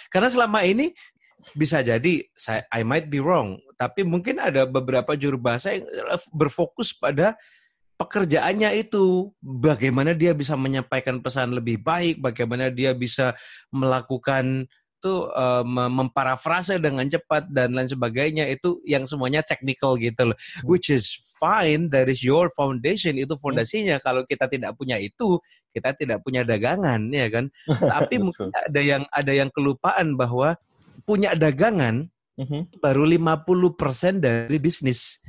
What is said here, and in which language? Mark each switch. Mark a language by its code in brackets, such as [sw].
[id] Karena selama ini, bisa jadi, [en] I might be wrong, [id] tapi mungkin ada beberapa juru bahasa yang berfokus pada pekerjaannya itu, bagaimana dia bisa menyampaikan pesan lebih baik, bagaimana dia bisa melakukan tuh memparafrase dengan cepat dan lain sebagainya, itu yang semuanya technical gitu loh. [en] Which is fine, that is your foundation, [id] itu fondasinya. Kalau kita tidak punya itu, kita tidak punya dagangan, ya kan? Tapi mungkin ada yang kelupaan bahwa punya dagangan baru 50% dari bisnis.